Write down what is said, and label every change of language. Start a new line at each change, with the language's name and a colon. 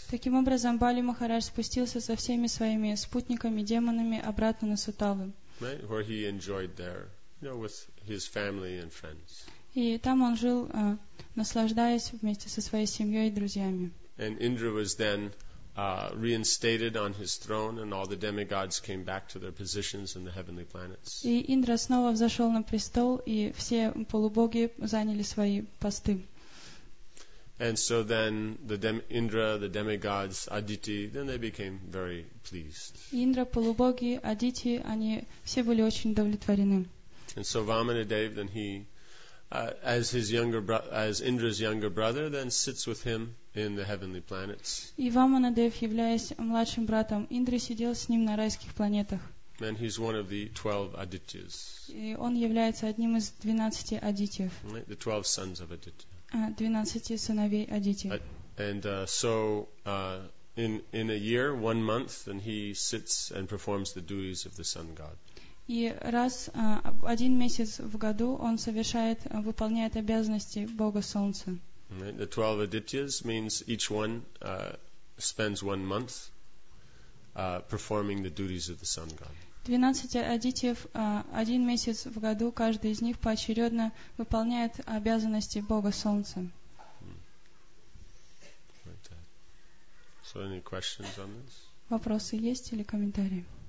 Russian: Таким образом, Бали Махарадж спустился со всеми своими спутниками, демонами обратно на Суталу.
English: Right, where he enjoyed there, you know, with his family and friends.
Russian: И там он жил, наслаждаясь вместе со своей семьей и друзьями.
English: And Indra was then reinstated on his throne, and all the demigods came back to their positions in the heavenly planets.
Russian: И Индра снова взошел на престол, и все полубоги заняли свои посты.
English: And so then Indra, the demigods, Aditi, then they became very pleased.
Russian: Индра, полубоги, Адити, они все были очень удовлетворены.
English: And so Vamanadeva, then he, as Indra's younger brother, then sits with him in the heavenly planets.
Russian: И Vamanadeva, являясь младшим братом Индры, сидел с ним на райских планетах.
English: And he's one of the 12 Adityas.
Russian: И он является одним из 12 Адитиев.
English: The 12 sons of Aditi.
Russian: 12 сыновей Адити.
English: In a year, 1 month, then he sits and performs the duties of the sun god.
Russian: И раз один месяц в году он совершает, выполняет обязанности бога солнца.
English: The 12 Adityas means each one spends 1 month performing the duties of the sun god.
Russian: 12 адитиев, один месяц в году, каждый из них поочередно выполняет обязанности Бога Солнца.
English: So any questions on this?
Russian: Вопросы есть или комментарии?